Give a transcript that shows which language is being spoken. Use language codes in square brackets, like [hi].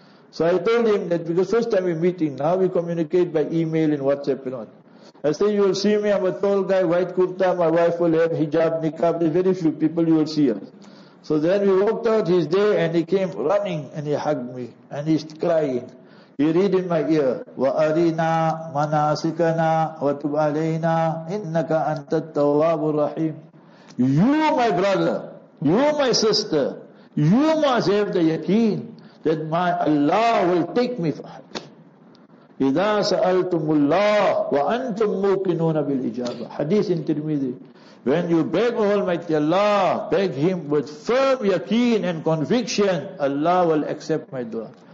[en] So I told him that because first time we're meeting, now we communicate by email and WhatsApp and all. I say, you will see me, I'm a tall guy, white kurta, my wife will have hijab, niqab, there's very few people you will see us. So then we walked out, he's there, and he came running, and he hugged me, and he's crying. He read in my ear, [ar] وَأَرِنَا مَنَاسِكَنَا وَتُبْ عَلَيْنَا إِنَّكَ أَنْتَ التَّوَّابُ الرَّحِيمُ. [en] You, my brother, you, my sister, you must have the yaqeen that my Allah will take me for Hajj. [ar] إِذَا سَأَلْتُمُ اللَّهُ وَأَنْتُمْ مُوْقِنُونَ بِالْإِجَابَةِ. [en] Hadith in Tirmidhi. When you beg Almighty Allah, beg Him with firm yaqeen and conviction, Allah will accept my dua.